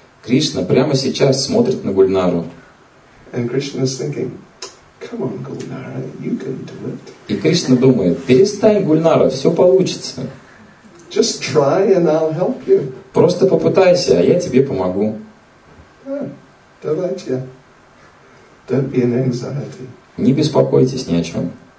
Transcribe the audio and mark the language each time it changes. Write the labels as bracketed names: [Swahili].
[Russian] Кришна прямо сейчас смотрит на Гульнару. [English] And Krishna is thinking, come on, Gulnara, you can do it. [Russian] И Кришна думает, перестань, Гульнара, все получится. [English] Just try and I'll help you. [Russian] Просто попытайся, а я тебе помогу. Давайте. [English] Don't be in anxiety. [Russian] Не беспокойтесь ни о чем.